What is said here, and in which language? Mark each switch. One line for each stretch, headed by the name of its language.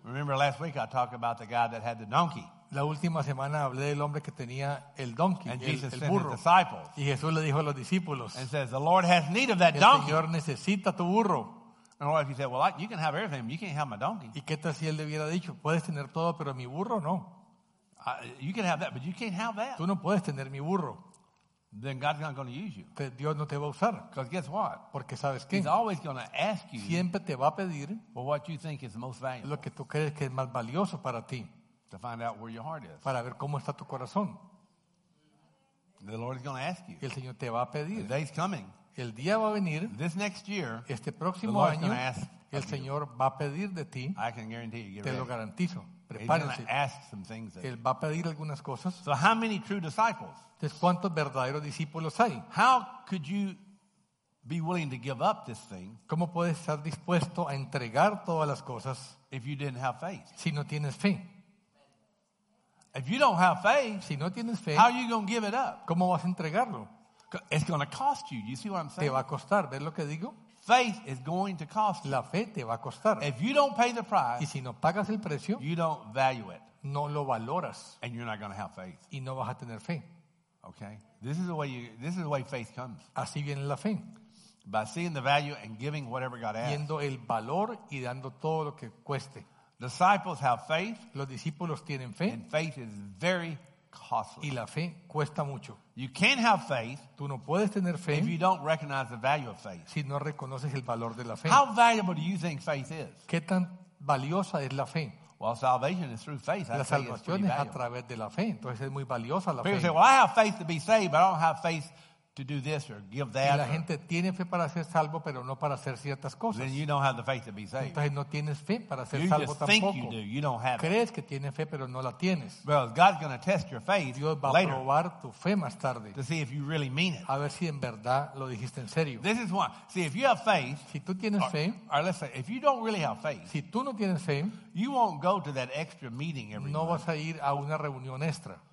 English: Remember last week I talked about the guy that had the donkey.
Spanish: La última semana hablé del hombre que tenía el donkey,
English: and
Spanish: el
English: sent
Spanish: burro.
English: His disciples.
Spanish: Y Jesús le dijo a los discípulos,
English: and says, the Lord has need of that
Spanish: el
English: donkey.
Spanish: Señor necesita tu burro.
English: And what if he said, well, you can have everything, you can't have my donkey.
Spanish: ¿Y qué tal si él le hubiera dicho, puedes tener todo, pero mi burro no?
English: You can have that, but you can't have that.
Spanish: Tú no puedes tener mi burro.
English: Then God's not going to use you.
Spanish: Dios no te va a usar.
English: Because guess what?
Spanish: Porque ¿sabes qué?
English: He's always going to ask you.
Spanish: Siempre te va a pedir.
English: Well, what you think is most valuable.
Spanish: Lo que tú crees que es más valioso para ti.
English: To find out where your heart is.
Spanish: Para ver cómo está tu corazón.
English: The Lord is going to ask you.
Spanish: El Señor te va a pedir.
English: The day's coming.
Spanish: El día va a venir.
English: This next year,
Spanish: este próximo año, el Señor va a pedir de ti.
English: I can guarantee you,
Spanish: te lo garantizo. Prepárense.
English: Ask some things.
Spanish: Él va a pedir algunas cosas.
English: So how many true disciples?
Spanish: Entonces, ¿cuántos verdaderos discípulos hay?
English: How could you be willing to give up this thing?
Spanish: ¿Cómo puedes estar dispuesto a entregar todas las cosas?
English: If you didn't have faith.
Spanish: Si no tienes fe.
English: If you don't have faith.
Spanish: Si no tienes fe.
English: How are you going to give it up?
Spanish: ¿Cómo vas a entregarlo?
English: It's going to cost you. You see what I'm saying?
Spanish: Te va a costar. ¿Ves lo que digo?
English: Faith is going to cost you.
Spanish: La fe te va a costar.
English: If you don't pay the price,
Spanish: y si no pagas el precio,
English: you don't value it.
Spanish: No lo valoras.
English: And you're not going to have faith.
Spanish: Y no vas a tener fe.
English: Okay? This is the way faith comes.
Spanish: Así viene la fe.
English: By seeing the value and giving whatever God asks.
Spanish: Viendo el valor y dando todo lo que cueste.
English: Disciples have faith.
Spanish: Los discípulos tienen fe.
English: And faith is very costly.
Spanish: Y la fe cuesta mucho.
English: You can't have faith.
Spanish: Tú no puedes tener fe.
English: If you don't recognize the value of faith.
Spanish: Si no reconoces el valor de la fe.
English: How valuable do you think faith is?
Spanish: ¿Qué tan valiosa es la fe?
English: Well, salvation is through faith.
Spanish: La salvación es a través de la fe. Entonces es muy valiosa la fe.
English: People say, "Well, I have faith to be saved, but I don't have faith to do this or give that."
Spanish: Y la gente tiene fe para ser salvo, pero no para hacer ciertas cosas.
English: Then you don't have the faith to be saved.
Spanish: Entonces no tienes fe para ser
English: you
Spanish: salvo tampoco.
English: You just think you do. You don't have.
Spanish: Crees que tienes fe, pero no la tienes.
English: Well, God's going to test your faith.
Spanish: Dios va a probar tu fe más tarde.
English: To see if you really mean it.
Spanish: A ver si en verdad lo dijiste en serio.
English: This is why. See, if you have faith.
Spanish: Si tú tienes fe.
English: Or let's say, if you don't really have faith.
Spanish: Si tú no tienes fe.
English: You won't go to that extra meeting every.
Spanish: No vas a ir a una reunión extra.